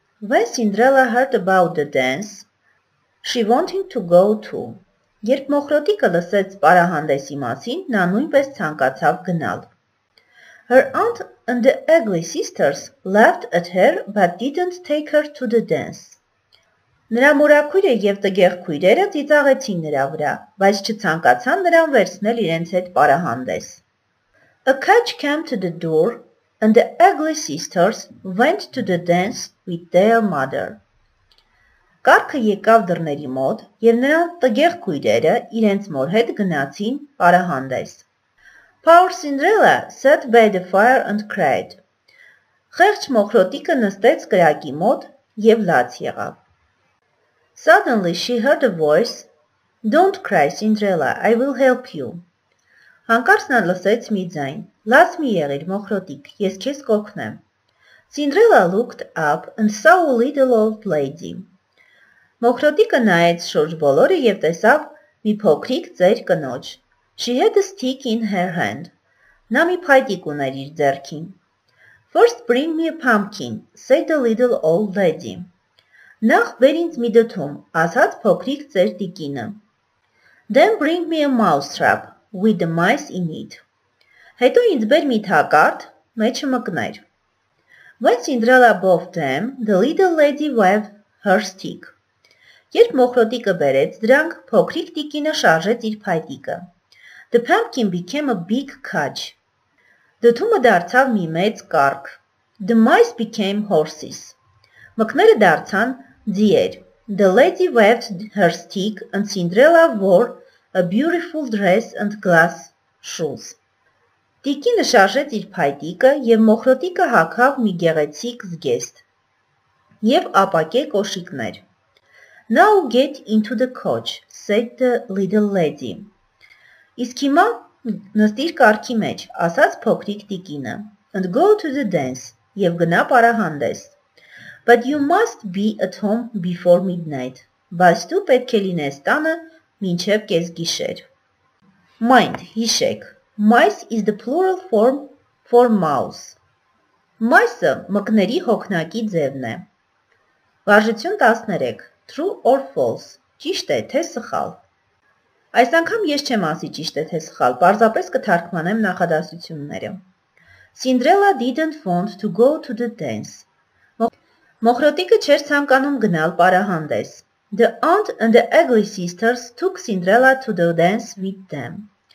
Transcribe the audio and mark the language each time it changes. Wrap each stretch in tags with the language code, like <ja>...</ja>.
<en>When Cinderella heard about the dance, she wanted to go too.</en> <hy>Երբ Մոխրոտիկը լսեց պարահանդեսի մասին, նա նույնպես ցանկացավ գնալ.</hy> <en>Her aunt and the ugly sisters laughed at her but didn't take her to the dance.</en> <hy>Նրա մորաքույրը և տգեղ քույրերը ծիծաղեցին նրա վրա, բայց չցանկացան նրան վերցնել իրենց հետ պարահանդես.</hy> <en>A coach came to the door and the ugly sisters went to the dance with their mother.</en> <hy>Կարգը եկավ դռների մոտ և նրա տգեղ քույրերը իրենց մոր հետ գնացին պարահանդես.</hy> <en>Poor Cinderella sat by the fire and cried.</en> <hy>Խեղճ Մոխրոտիկը նստեց կրակի մոտ և լաց եղավ.</hy> <en>Suddenly she heard a voice. Don't cry, Cinderella, I will help you.</en> <hy>Հանկարծ նա լսեց մի ձայն. Լաց մի եղիր, Մոխրոտիկ, ես քեզ կօգնեմ.</hy> <en>Cinderella looked up and saw a little old lady.</en> <hy>Մոխրոտիկը նայեց շուրջ բոլորը և տեսավ մի փոքրիկ ծեր կնոջ.</hy> <en>She had a stick in her hand.</en> <hy>Նա մի փայտիկ ուներ իր ձեռքին.</hy> <en>First bring me a pumpkin, said the little old lady.</en> <hy>Նախ բեր ինձ մի դդում, ասաց փոքրիկ ծեր տիկինը.</hy> <en>Then bring me a mouse trap with the mice in it.</en> <hy>Հետո ինձ բեր մի թակարդ, մեջը մկներ.</hy> <en>When Cinderella bought them, the little lady waved her stick.</en> <hy>Երբ Մոխրոտիկը բերեց դրանք, փոքրիկ տիկինը շարժեց իր փայտիկը.</hy> <en>The pumpkin became a big catch.</en> <hy>Դդումը դարձավ մի մեծ կարգ.</hy> <en>The mice became horses.</en> <hy>Մկները դարձան ձիեր.</hy> <en>The lady waved her stick and Cinderella wore a beautiful dress and glass shoes.</en> <hy>Տիկինը շարժեց իր փայտիկը և Մոխրոտիկը հագավ մի գեղեցիկ զգեստ և ապակե կոշիկներ.</hy> <en>Now get into the coach, said the little lady.</en> <hy>Իսկ հիմա նստիր կարգի մեջ, ասաց փոքրիկ տիկինը.</hy> <en>And go to the dance,</en> <hy>և գնա պարահանդես.</hy> <en>But you must be at home before midnight.</en> <hy>Բայց դու պետք է լինես տանը մինչև կեսգիշեր.</hy> <en>Mind,</en> <hy>հիշեք.</hy> <en>Mice is the plural form for mouse.</en> <hy>Mice-ը մկների հոգնակի ձևն է. Վարժություն 13.</hy> <en>True or false.</en> <hy>Ճիշտ է, թե սխալ. Այս անգամ ես չեմ ասի ճիշտ է, թե սխալ. Պարզապես կթարգմանեմ նախադասությունները.</hy> <en>Cinderella didn't want to go to the dance.</en> <hy>Մոխրոտիկը չէր ցանկանում գնալ պարահանդես.</hy> <en>The aunt and the ugly sisters took Cinderella to the dance with them.</en>